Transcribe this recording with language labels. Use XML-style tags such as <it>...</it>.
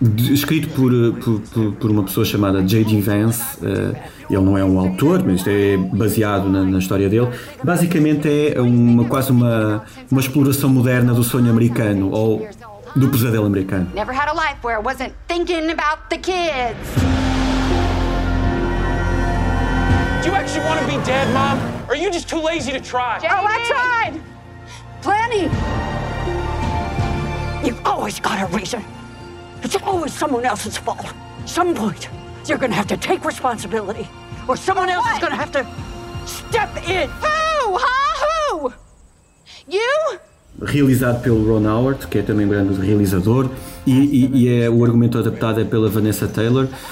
<pt>escrito por uma pessoa chamada J.D. Vance. Ele não é um autor, mas isto é baseado na história dele. Basicamente é quase uma exploração moderna do sonho americano, ou do pesadelo americano.</pt> <en>Never had a life where I wasn't thinking about the kids. Do you actually want to be dead, Mom? Or are you just too lazy to try? Oh, I tried! Plenty! You've always got a reason. It's always someone else's fault. Some point, you're gonna have to take responsibility. Or someone else is gonna have to step in. Who? Huh? Who? You?</en> <pt>Realizado pelo Ron Howard, que é também um grande realizador, e é o argumento adaptado pela Vanessa Taylor.</pt>